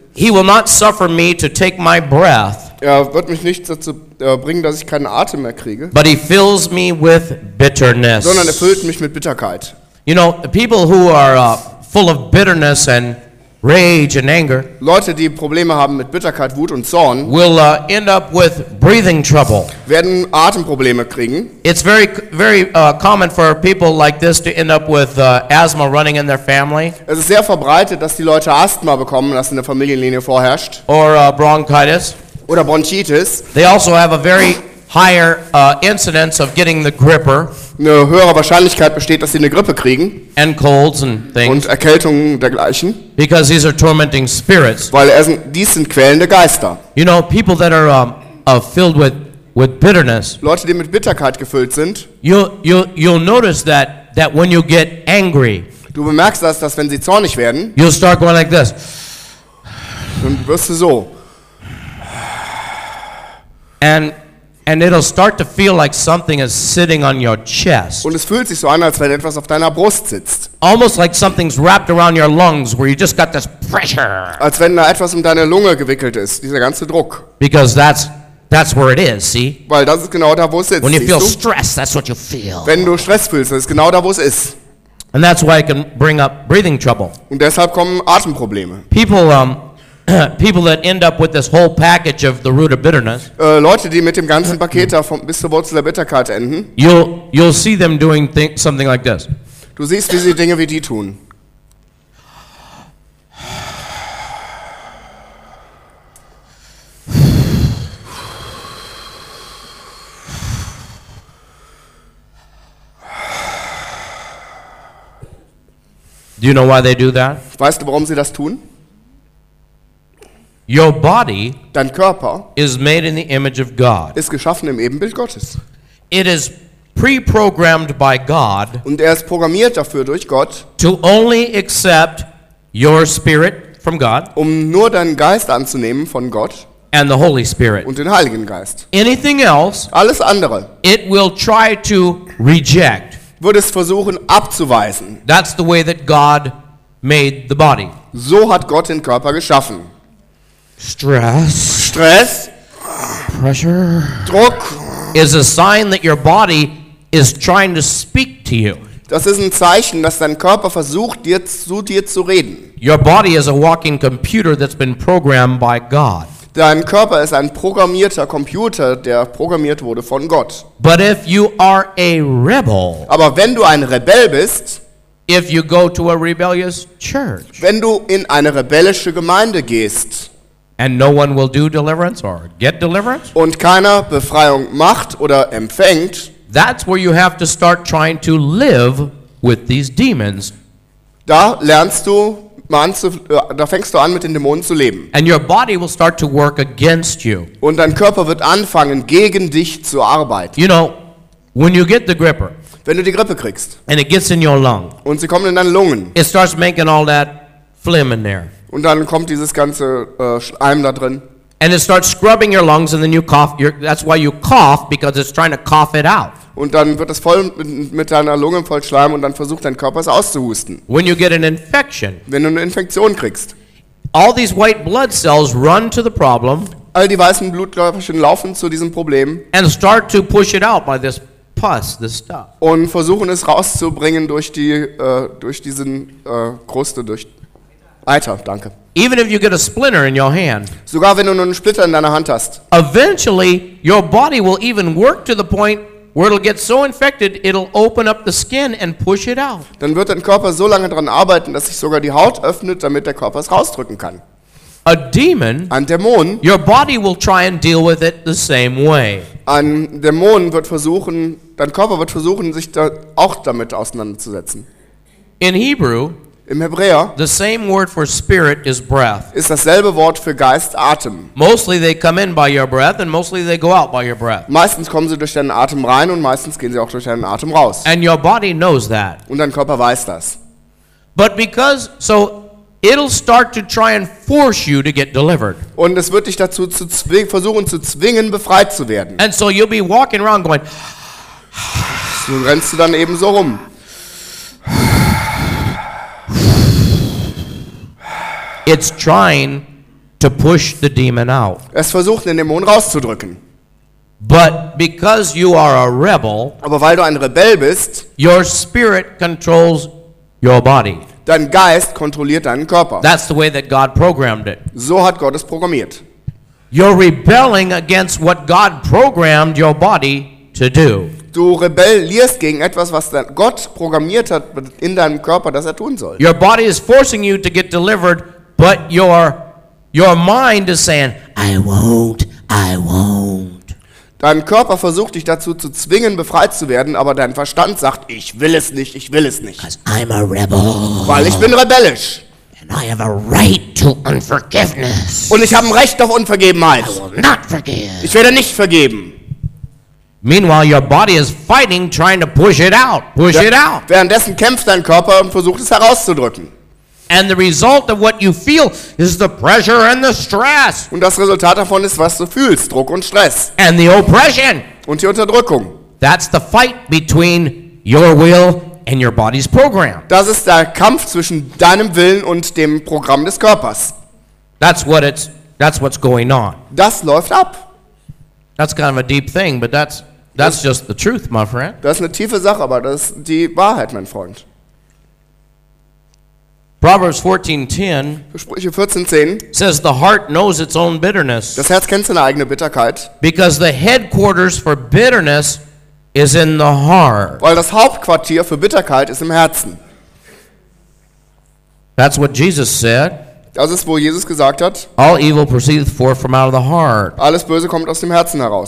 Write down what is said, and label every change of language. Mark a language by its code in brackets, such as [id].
[en] He will not suffer me to take my breath. [de] Er wird mich nicht dazu bringen, dass ich keinen Atem mehr kriege. [en] But he fills me with bitterness. [de] Sondern er füllt mich mit Bitterkeit. [en] You know, people who are full of bitterness and rage and anger. [de] Leute, die Probleme haben mit Bitterkeit, Wut und Zorn, [en] will end up with breathing trouble. [de] Werden Atemprobleme kriegen. [en] It's very, very common for people like this to end up with asthma running in their family. [de] Es ist sehr verbreitet, dass die Leute Asthma bekommen, das in der Familienlinie vorherrscht. [en] Or bronchitis. [de] Oder Bronchitis. [en] They also have a very higher incidence of getting the gripper. [de] Eine höhere Wahrscheinlichkeit besteht, dass sie eine Grippe kriegen. [en] And colds and things. [de] Und Erkältungen dergleichen. [en] Because these are tormenting spirits. [de] Weil dies sind quälende Geister. [en] You know, people that are filled with bitterness. [de] Leute, die mit Bitterkeit gefüllt sind. [en] You'll notice that when you get angry. [de] Du bemerkst das, dass wenn sie zornig werden. [en] You'll start going like this. [de] Dann wirst du so. [en] And it'll start to feel like something is sitting on your chest. [de] Und es fühlt sich so an, als wenn etwas auf deiner Brust sitzt. [en] Almost like something's wrapped around your lungs, where you just got this pressure. [de] Als wenn da etwas um deine Lunge gewickelt ist, dieser ganze Druck. [en] Because that's where it is, see? [de] Weil das ist genau da, wo es sitzt. [en] When you feel stress, that's what you feel. [de] Wenn du Stress fühlst, das ist genau da, wo es ist. [en] And that's why it can bring up breathing trouble. [de] Und deshalb kommen Atemprobleme. [en] People that end up with this whole package of the root of bitterness. [de] Leute, die mit dem ganzen Paket da bis zur Wurzel der Bitterkeit enden. [en] You'll see them doing something like this. [de] Du siehst, wie sie Dinge wie die tun. [en] Do you know why they do that? [de] Weißt du, warum sie das tun? [en] Your body, [de] dein Körper, [en] is made in the image of God. [de] Ist geschaffen im Ebenbild Gottes. [en] It is pre-programmed by God. [de] Und ist programmiert dafür durch Gott. [en] To only accept your spirit from God. [de] Nur deinen Geist anzunehmen von Gott. [en] And the Holy Spirit. [de] Und den Heiligen Geist. [en] Anything else, [de] alles andere, [en] it will try to reject. [de] Wird es versuchen abzuweisen. [en] That's the way that God made the body. [de] So hat Gott den Körper geschaffen. [en] Stress, pressure, [de] Druck [en] is a sign that your body is trying to speak to you. [de] Das ist ein Zeichen, dass dein Körper versucht, zu dir zu reden. [en] Your body is a walking computer that's been programmed by God. [de] Dein Körper ist ein programmierter Computer, der programmiert wurde von Gott. [en] But if you are a rebel, [de] aber wenn du ein Rebell bist, [en] if you go to a rebellious church, [de] wenn du in eine rebellische Gemeinde gehst, [en] and no one will do deliverance or get deliverance. [de] Und keiner Befreiung macht oder empfängt. [en] That's where you have to start trying to live with these demons. [de] Da fängst du an, mit den Dämonen zu leben. [en] And your body will start to work against you. [de] Und dein Körper wird anfangen, gegen dich zu arbeiten. [en] You know, when you get the gripper. [de] Wenn du die Grippe kriegst. [en] And it gets in your lung. [de] Und sie kommen in deine Lungen. [en] It starts making all that phlegm in there. [de] Und dann kommt dieses ganze Schleim da drin. [en] And it starts scrubbing your lungs and then you cough. That's why you cough, because it's trying to cough it out. [de] Und dann wird es voll mit deiner Lunge voll Schleim und dann versucht dein Körper es auszuhusten. [en] When you get an infection. [de] Wenn du eine Infektion kriegst. [en] All these white blood cells run to the problem. [de] All die weißen Blutkörperchen laufen zu diesem Problem. [en] And start to push it out by this pus, this stuff. [de] Und versuchen es rauszubringen durch die durch diesen Kruste, durch Alter, danke. [en] Even if you get a splinter in your hand. [de] Sogar wenn du nur einen Splitter in deiner Hand hast. [en] Eventually your body will even work to the point where it'll get so infected it'll open up the skin and push it out. [de] Dann wird dein Körper so lange dran arbeiten, dass sich sogar die Haut öffnet, damit der Körper es rausdrücken kann. [en] A demon. [de] Ein Dämon. [en] Your body will try and deal with it the same way. [de] Ein Dämon wird versuchen, dein Körper wird versuchen, sich da auch damit auseinanderzusetzen. [en] In Hebrew. [de] Im Hebräer, [en] the same word for spirit is breath. [de] Ist dasselbe Wort für Geist, Atem. [en] Mostly they come in by your breath and mostly they go out by your breath. [de] Meistens kommen sie durch deinen Atem rein und meistens gehen sie auch durch deinen Atem raus. [en] And your body knows that. [de] Und dein Körper weiß das. [en] But because so it'll start to try and force you to get delivered. [de] Und es wird dich dazu versuchen zu zwingen, befreit zu werden. [en] And so you'll be walking around going [de] So rennst du dann eben so rum. [en] It's trying to push the demon out. [de] Es versucht, den Dämon rauszudrücken. [en] But because you are a rebel, [de] aber weil du ein Rebell bist, [en] your spirit controls your body. [de] Dein Geist kontrolliert deinen Körper. [en] That's the way that God programmed it. [de] So hat Gott es programmiert. [en] You're rebelling against what God programmed your body to do. [de] Du rebellierst gegen etwas, was Gott programmiert hat in deinem Körper, das er tun soll. [en] Your body is forcing you to get delivered, but your mind is saying, I won't, I won't. [de] Dein Körper versucht dich dazu zu zwingen, befreit zu werden, aber dein Verstand sagt, ich will es nicht, ich will es nicht. [en] Because I'm a rebel. [de] Weil ich bin rebellisch. [en] And I have a right to unforgiveness. [de] Und ich habe ein Recht auf Unvergebenheit. [en] I will not forgive. [de] Ich werde nicht vergeben. [en] Meanwhile, your body is fighting, trying to push it out. Push it out. [de] Währenddessen kämpft dein Körper und versucht es herauszudrücken. [en] And the result of what you feel is the pressure and the stress. [de] Und das Resultat davon ist, was du fühlst, Druck und Stress. [en] And the oppression. [de] Und die Unterdrückung. [en] That's the fight between your will and your body's program. [de] Das ist der Kampf zwischen deinem Willen und dem Programm des Körpers. [en] That's what's going on. [de] Das läuft ab. [en] That's kind of a deep thing, but that's just the truth, my friend. [de] Das ist eine tiefe Sache, aber das ist die Wahrheit, mein Freund. [en] Proverbs 14:10. [de] Sprüche 14:10. [en] Says the heart knows its own bitterness. [de] Das Herz kennt seine eigene Bitterkeit. [en] Because the headquarters for bitterness is in the heart. [de] Weil das Hauptquartier für Bitterkeit ist im Herzen. [en] That's what Jesus said. [de] Das ist, wo Jesus gesagt hat. [en] All evil proceedeth forth from out of the heart. [de] Alles Böse kommt aus dem Herzen heraus.